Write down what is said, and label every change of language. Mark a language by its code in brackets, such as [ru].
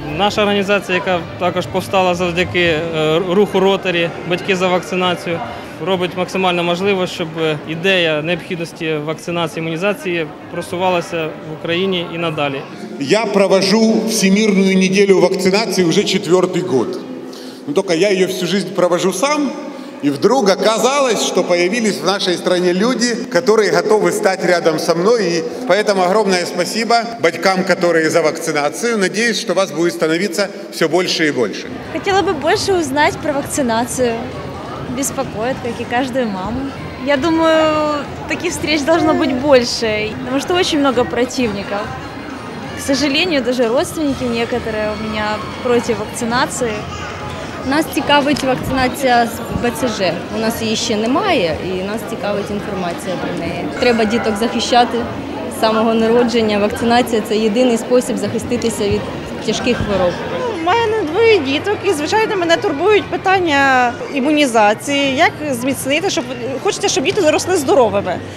[uk] Наша організація, яка також повстала завдяки руху Rotary «Батьки за вакцинацію», робить максимально можливо, щоб ідея необхідності вакцинації, імунізації просувалася в Україні і надалі. Я провожу всемирну неділю вакцинації вже четвертий рік. [ru] Ну, только я ее всю жизнь провожу сам, и вдруг оказалось, что появились в нашей стране люди, которые готовы стать рядом со мной. И поэтому огромное спасибо батькам, которые за вакцинацию. Надеюсь, что вас будет становиться все больше и больше. Хотела бы больше узнать про вакцинацию. Беспокоит, как и каждую маму. Я думаю, таких встреч должно быть больше, потому что очень много противников. К сожалению, даже родственники некоторые у меня против вакцинации. [uk] Нас цікавить вакцинація з БЦЖ. У нас її ще немає, і нас цікавить інформація про неї. Треба діток захищати з самого народження. Вакцинація – це єдиний спосіб захиститися від тяжких хвороб. У мене двоє діток, і, звичайно, мене турбують питання імунізації, як зміцнити, щоб хочеться, щоб діти заросли здоровими.